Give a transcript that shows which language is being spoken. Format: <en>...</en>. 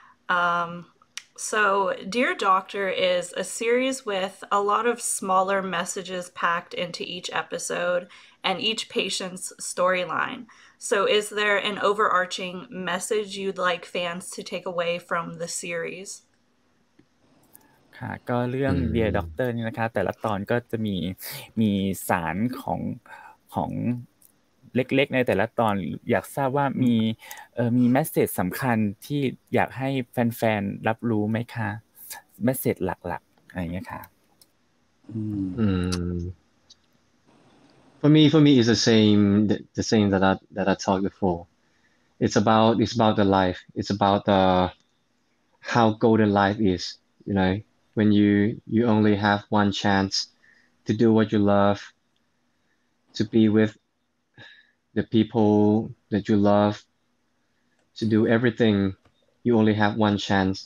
<en>So Dear Doctor is a series with a lot of smaller messages packed into each episode and each patient's storyline. So is there an overarching message you'd like fans to take away from the series?</en> <th>ก็เรื่อง Dear Doctor นี่นะคะแต่ละตอนก็จะมีสารของเล็กๆในแต่ละตอนอยากทราบว่ามีเมสเสจสำคัญที่อยากให้แฟนๆรับรู้ไหมคะเมสเสจหลักๆอะไรเงี้ยค่ะ</th> <en>For me is the same that I talked before. It's about the life. It's about the how golden life is, you know. When you only have one chance to do what you love, to be with the people that you love, to do everything, you only have one chance.</en>